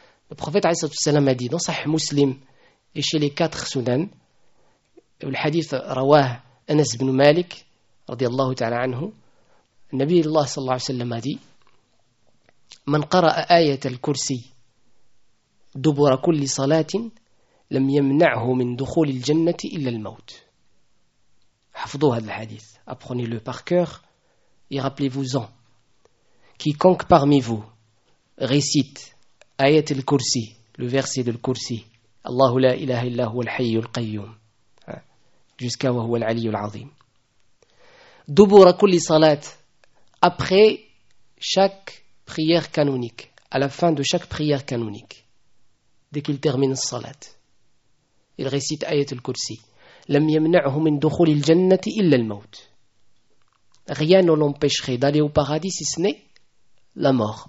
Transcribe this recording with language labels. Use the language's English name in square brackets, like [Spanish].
[French] Le prophète alayhi salam a dit dans Sahih Muslim et chez les quatre sunan, le hadith rawah Anas ibn Malik radiyallahu ta'ala anhu, Nabi Allah sallallahu alayhi wa sallam a dit: [Arabic] من قرأ آية الكرسي دبر كل صلاة لم يمنعه من دخول الجنة إلا الموت. حفظوا هذا الحديث. [French] Apprenez-le par cœur et rappelez-vous-en. Quiconque parmi vous récite آية الكرسي, le verset de الكرسي, [Arabic] الله لا إله إلا هو الحي القيوم, [French] jusqu'à [Arabic] وهو العلي العظيم. دبر كل صلاة, [French] après chaque prière canonique, à la fin de chaque prière canonique, dès qu'il termine le salat, il récite Ayat al-Kursi. [Arabic] Lam yamna'hu min dukhuli al-jannati illa al-maut. [French] Rien ne l'empêcherait d'aller au paradis si ce n'est la mort.